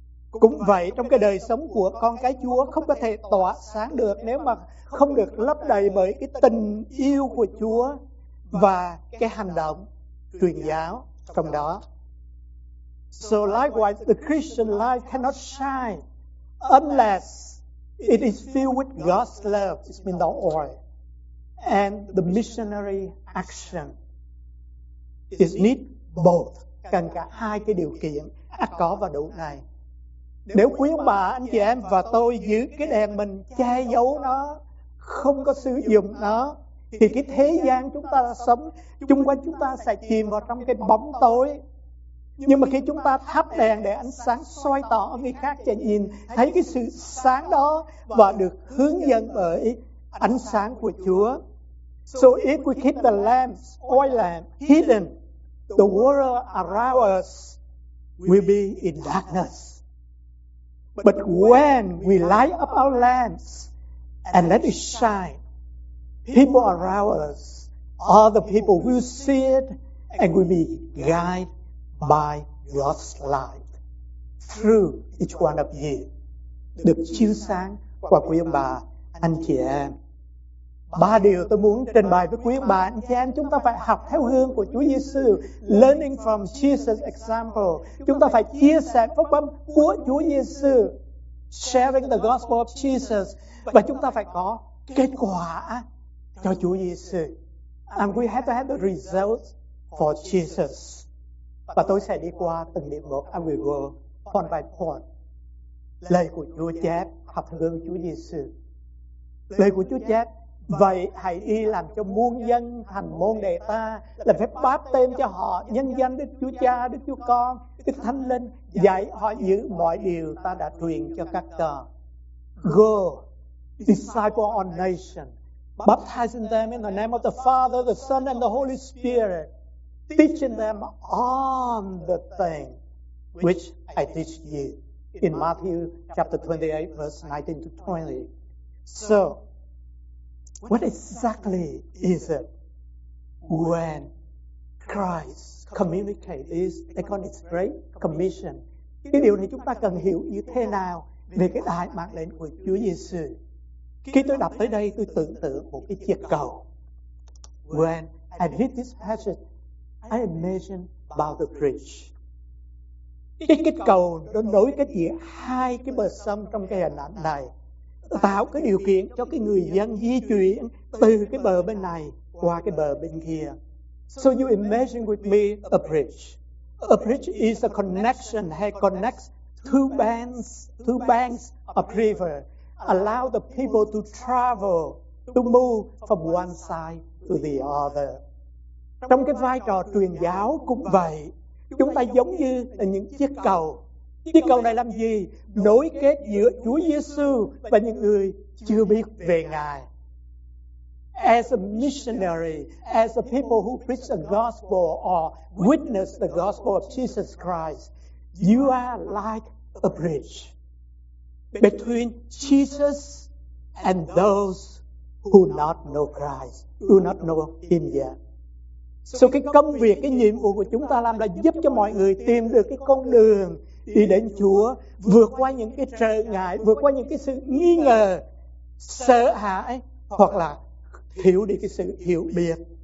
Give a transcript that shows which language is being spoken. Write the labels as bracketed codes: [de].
[vi] Cũng vậy, trong cái đời sống của con cái Chúa không có thể tỏa sáng được nếu mà không được lấp đầy bởi cái tình yêu của Chúa và cái hành động truyền giáo trong đó. [en] So likewise, the Christian life cannot shine unless it is filled with God's love, it's been the oil, and the missionary action. It needs both. [vi] Cần cả hai cái điều kiện, ắt có và đủ này. Nếu quý ông bà, anh chị em và tôi giữ cái đèn mình, che giấu nó, không có sử dụng nó, thì cái thế gian chúng ta sống, chung quanh chúng ta sẽ chìm vào trong cái bóng tối. Nhưng mà khi chúng ta thắp đèn để ánh sáng soi tỏ người khác sẽ nhìn thấy cái sự sáng đó và được hướng dẫn bởi ánh sáng của Chúa. [en] So if we keep the lamps, oil lamp hidden, the world around us will be in darkness. But when we light up our lamps and let it shine, people around us, other people will see it and will be guided by God's light through each one of you. [vi] Được chiếu sáng qua quý ông bà, anh chị em. Ba điều tôi muốn trình bày với quý ông bà, anh chị em. Chúng ta phải học theo gương của Chúa Giêsu, [en] learning from Jesus' example. [vi] Chúng ta phải chia sẻ phúc âm của Chúa Giêsu, [en] sharing the gospel of Jesus. [vi] Và chúng ta phải có kết quả cho Chúa Giêsu. [en] And we have to have the results for Jesus. [vi] Và tôi sẽ đi qua từng điểm một. [en] I will go point by point. [vi] Lời của Chúa chép, học theo gương Chúa Giêsu. Lời của Chúa chép: vậy hãy đi làm cho muôn dân thành môn đệ ta, làm phép báp tên cho họ nhân danh Đức Chúa Cha, Đức Chúa Con, Đức Thánh Linh, dạy họ giữ mọi điều ta đã truyền cho các con. [en] Go, disciple all nations, baptizing them in the name of the Father, the Son, and the Holy Spirit, teaching them all the thing which I teach you. In Matthew chapter 28, verse 19 to 20. So, what exactly is it when Christ communicates this iconic great commission? [vi] Cái điều này chúng ta cần hiểu như thế nào về cái đại mạng lệnh của Chúa Giêsu? Khi tôi đọc tới đây, tôi tưởng tượng một cái chiếc cầu. When I read this passage, I imagine about the bridge. Cái cầu nó nối kết giữa hai cái bờ sông trong cái hình ảnh này, tạo cái điều kiện cho cái người dân di chuyển từ cái bờ bên này qua cái bờ bên kia. [en] So you imagine with me a bridge. A bridge is a connection that connects two banks of river, allow the people to travel, to move from one side to the other. [vi] Trong cái vai trò truyền giáo cũng vậy. Chúng ta giống như là những chiếc cầu. Chiếc cầu này làm gì? Nối kết giữa Chúa Giêsu và những người chưa biết về Ngài. [en] As a missionary, as a people who preach the gospel or witness the gospel of Jesus Christ, you are like a bridge between Jesus and those who not know Christ, do not know Him yet. [vi] So cái công việc, cái nhiệm vụ của chúng ta làm là giúp cho mọi người tìm được cái con đường đi đến Chúa, vượt qua những cái trở ngại, vượt qua những cái sự nghi ngờ, sợ hãi, hoặc là hiểu đi cái sự hiểu biết.